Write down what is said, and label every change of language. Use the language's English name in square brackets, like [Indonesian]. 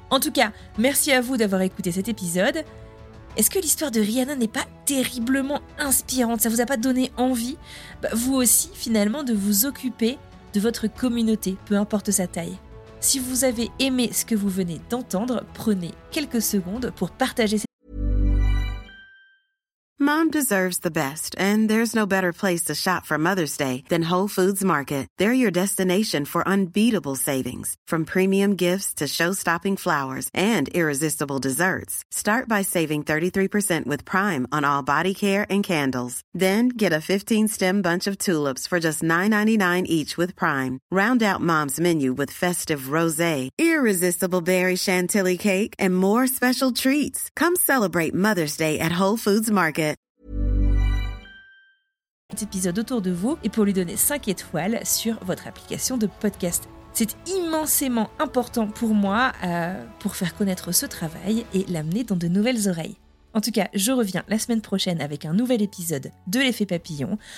[French] En tout cas, merci à vous d'avoir écouté cet épisode. Est-ce que l'histoire de Rhiannon n'est pas terriblement inspirante? Ça vous a pas donné envie, vous aussi, finalement, de vous occuper de votre communauté, peu importe sa taille? Si vous avez aimé ce que vous venez d'entendre, prenez quelques secondes pour partager. [English] Mom deserves the best, and there's no better place to shop for Mother's Day than Whole Foods Market. They're your destination for unbeatable savings, from premium gifts to show-stopping flowers and irresistible desserts. Start by saving 33% with Prime on all body care and candles. Then get a 15-stem bunch of tulips for just $9.99 each with Prime. Round out Mom's menu with festive rosé, irresistible berry chantilly cake, and more special treats. Come celebrate Mother's Day at Whole Foods Market. [French] Cet épisode autour de vous et pour lui donner 5 étoiles sur votre application de podcast. C'est immensément important pour moi pour faire connaître ce travail et l'amener dans de nouvelles oreilles. En tout cas, je reviens la semaine prochaine avec un nouvel épisode de l'Effet Papillon.